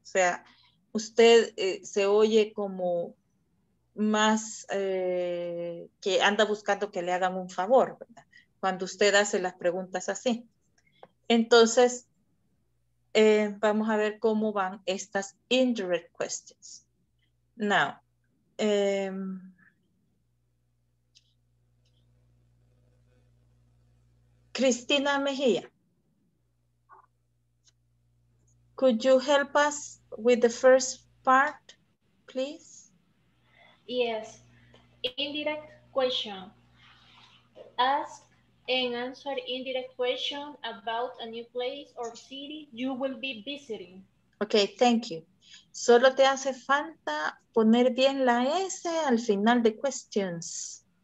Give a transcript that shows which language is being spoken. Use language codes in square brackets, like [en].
[es] O sea, usted se oye como más que anda buscando que le hagan un favor, ¿verdad? Cuando usted hace las preguntas así. Entonces, vamos a ver cómo van estas indirect questions. [en] Now, Cristina Mejía, could you help us with the first part, please? Yes, indirect question. Ask and answer indirect question about a new place or city you will be visiting. Okay, thank you. [es] Solo te hace falta poner bien la S al final de questions.